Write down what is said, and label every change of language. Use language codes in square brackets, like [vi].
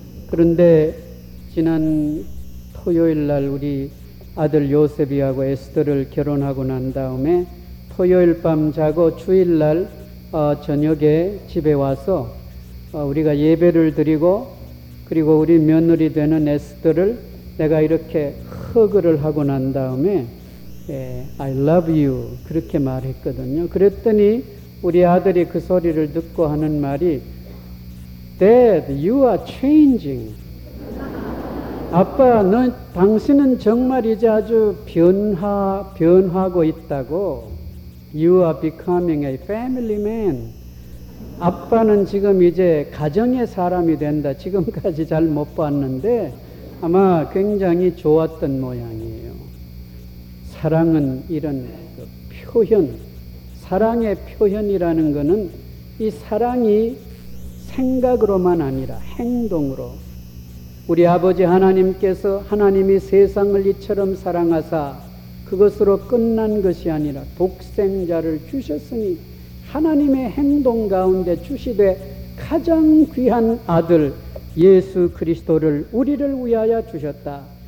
[ko] 그런데 지난 토요일 날 우리 아들 요셉이하고 에스더를 결혼하고 난 다음에 토요일 밤 자고 주일 날 저녁에 집에 와서 우리가 예배를 드리고 그리고 우리 며느리 되는 에스더를 내가 이렇게 허그를 하고 난 다음에 [en] I love you [ko] 그렇게 말했거든요. 그랬더니 우리 아들이 그 소리를 듣고 하는 말이 [en] Dad, you are changing. [ko] 아빠, 너 당신은 정말 이제 아주 변하고 있다고. [en] You are becoming a family man. [ko] 아빠는 지금 이제 가정의 사람이 된다. 지금까지 잘 못 봤는데 아마 굉장히 좋았던 모양이에요. 사랑은 이런 그 표현, 사랑의 표현이라는 것은 이 사랑이 생각으로만 아니라 행동으로, 우리 아버지 하나님께서 하나님이 세상을 이처럼 사랑하사 그것으로 끝난 것이 아니라 독생자를 주셨으니 하나님의 행동 가운데 주시되 가장 귀한 아들 예수 그리스도를 우리를 위하여 주셨다.